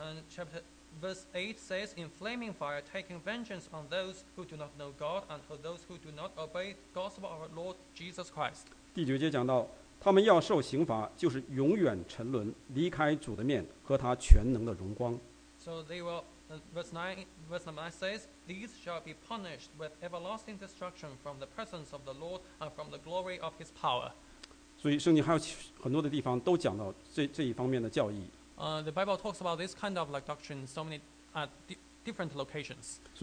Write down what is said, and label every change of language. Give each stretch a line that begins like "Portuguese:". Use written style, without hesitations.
English: Chapter verse 8 says, in flaming fire, taking vengeance on those who do not know God and for those who do not obey the gospel of our Lord Jesus Christ.
Chinese: 第九节讲到他们要受刑罚就是永远沉沦离开主的面和他全能的荣光。
English: So they will verse 9 says, these shall be punished with everlasting destruction from the presence of the Lord and from the glory of his power.
Chinese: 所以圣经还有很多的地方都讲到这一方面的教义。
English: The Bible talks about this kind of like doctrine so many different locations.